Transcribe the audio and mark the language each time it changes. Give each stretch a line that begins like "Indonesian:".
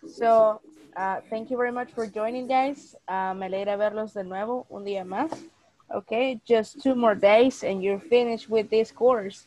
English: So, thank you very much for joining, guys.
Spanish: Me alegra verlos de nuevo, un día más.
English: Okay, just 2 more days and you're finished with this course.